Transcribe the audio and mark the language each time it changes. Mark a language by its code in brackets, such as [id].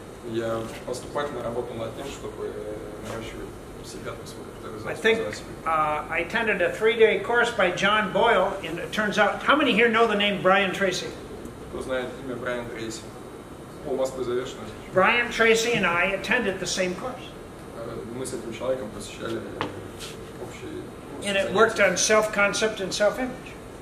[ru] Я поступательно работал над тем, чтобы наращивать себя, свой. [en] I think I attended a 3-day course by John Boyle, and it turns out, how many here know the name Brian Tracy? [ru] Кто знает имя Брайан Трейси? У вас завершено. [en] Brian Tracy and I attended the same course. [ru] Мы с этим человеком посещали общий. [en] And it worked on self-concept and self-image.